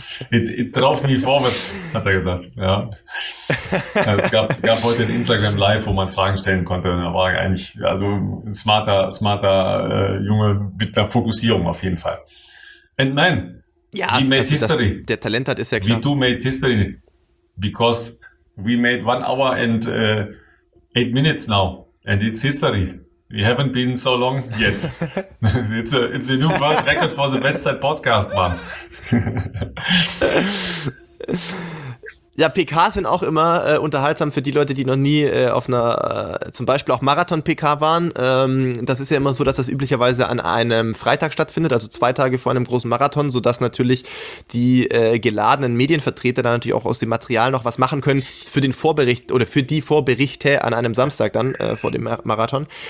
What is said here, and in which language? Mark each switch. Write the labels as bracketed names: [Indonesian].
[English] It drove me forward, [German] hat er gesagt. Ja. Also es gab heute ein Instagram Live, wo man Fragen stellen konnte. Da war er eigentlich ein smarter Junge mit einer Fokussierung auf jeden Fall. [English] And man, ja, we made history. [German] Der Talent hat, ist ja klar. [English] We too made history. Because we made 1 hour and 8 minutes now. And it's history. We haven't been so long yet. It's a new world record for the Westside Podcast, man. [German] Ja, PKs sind auch immer unterhaltsam für die Leute, die noch nie auf einer, zum Beispiel auch Marathon-PK waren. Das ist ja immer so, dass das üblicherweise an einem Freitag stattfindet, also zwei Tage vor einem großen Marathon, sodass natürlich die geladenen Medienvertreter dann natürlich auch aus dem Material noch was machen können für den Vorbericht oder für die Vorberichte an einem Samstag dann vor dem Marathon.